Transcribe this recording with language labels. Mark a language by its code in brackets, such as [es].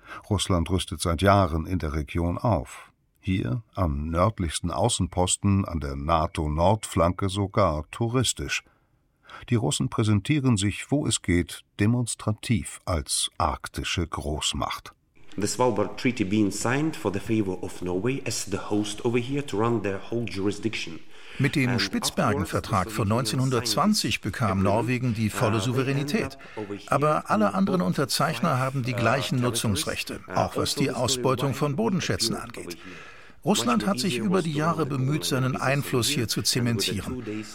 [de] Russland rüstet seit Jahren in der Region auf. Hier, am nördlichsten Außenposten, an der NATO-Nordflanke sogar touristisch. Die Russen präsentieren sich, wo es geht, demonstrativ als arktische Großmacht. [en] The Svalbard Treaty being signed for the favor of Norway as the host over here to run their whole jurisdiction. [de] Mit dem Spitzbergen-Vertrag von 1920 bekam Norwegen die volle Souveränität. Aber alle anderen Unterzeichner haben die gleichen Nutzungsrechte, auch was die Ausbeutung von Bodenschätzen angeht. Russland hat sich über die Jahre bemüht, seinen Einfluss hier zu zementieren.